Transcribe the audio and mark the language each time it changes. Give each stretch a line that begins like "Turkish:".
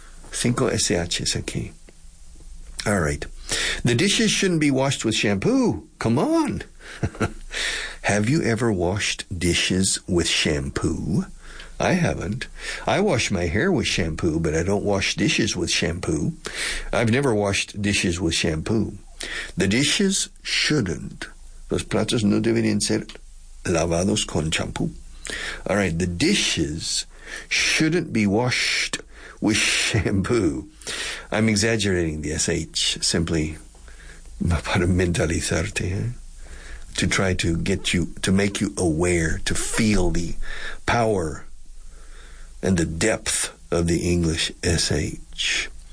Spanish: Cinco SHs aquí.
English: All right. The dishes shouldn't be washed with shampoo. Come on. Have you ever washed dishes with shampoo? I haven't. I wash my hair with shampoo, but I don't wash dishes with shampoo. I've never washed dishes with shampoo. The dishes shouldn't.
Spanish: Los platos no deberían ser lavados con champú.
English: All right, the dishes shouldn't be washed with shampoo. I'm exaggerating the SH simply
Spanish: para mentalizarte,
English: to try to get you, to make you aware, to feel the power and the depth of the English SH.